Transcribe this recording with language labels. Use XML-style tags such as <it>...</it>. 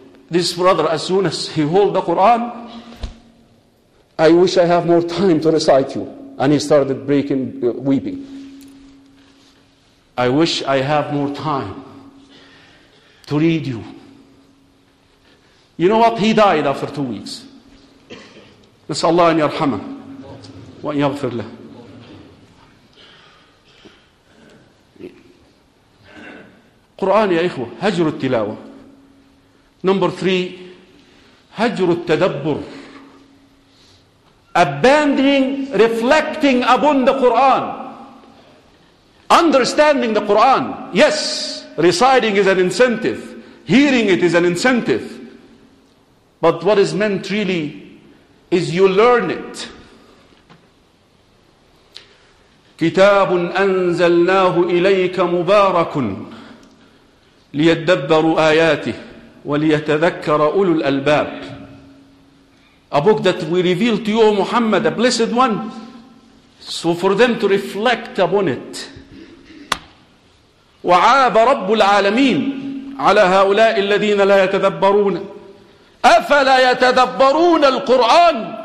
<en>This brother, as soon as he hold the Quran, I wish I have more time to recite you. And he started breaking, weeping. I wish I have more time to read you. You know what? He died after 2 weeks.</en> <ar>نسأل الله أن يرحمه وأن يغفر له. قرآن يا إخوة, هجر التلاوة.</ar> <en>Number 3,</en> <ar>هجر التدبر.</ar> <en>Abandoning, reflecting upon the Quran. Understanding the Quran. Yes, reciting is an incentive. Hearing it is an incentive. But what is meant really is you learn it.</en> <ar>كتاب أنزلناه إليك مبارك ليتدبروا آياته وليتذكر أولو الألباب.</ar> <en>A book that we reveal to you, O Muhammad, a blessed one. So for them to reflect upon it.</en> <ar>وَعَابَ رَبُّ الْعَالَمِينَ عَلَى هَؤُلَاءِ الَّذِينَ لَا يَتَذَبَّرُونَ أَفَلَا يَتَذَبَّرُونَ الْقُرْآنِ.</ar>